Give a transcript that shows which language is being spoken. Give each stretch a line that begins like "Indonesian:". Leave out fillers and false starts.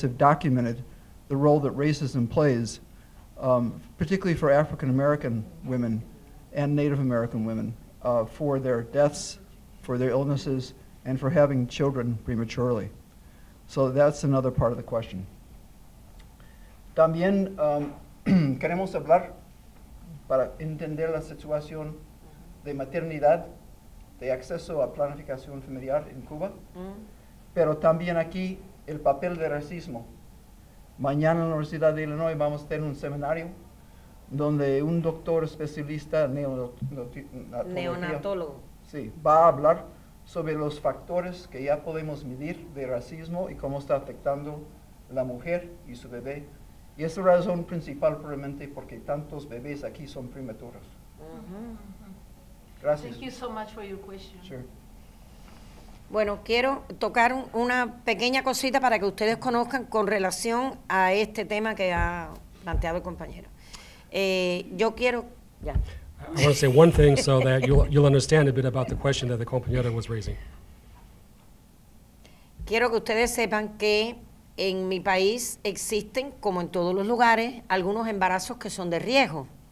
English: have documented the role that racism plays, particularly for African American women and Native American women, for their deaths, for their illnesses, and for having children prematurely. So that's another part of the question.
Spanish: También queremos hablar para entender la situación de maternidad, de acceso a planificación familiar en Cuba, pero también aquí el papel del racismo. Mañana en la Universidad de Illinois vamos a tener un seminario donde un doctor especialista neonatólogo sí, va a hablar sobre los factores que ya podemos medir de racismo y cómo está afectando la mujer y su bebé. Y es la razón principal probablemente porque tantos bebés aquí son prematuros. Gracias.
English: Thank you so much for your question. Sure.
Spanish: Bueno, quiero tocar una pequeña cosita para que ustedes conozcan con relación a este tema que ha planteado el compañero. Yo quiero...
English: I want to say one thing so that you'll understand a bit about the question that the compañero was raising.
Spanish: Quiero que ustedes sepan que en mi país existen, como en todos los lugares, algunos embarazos que son de riesgo.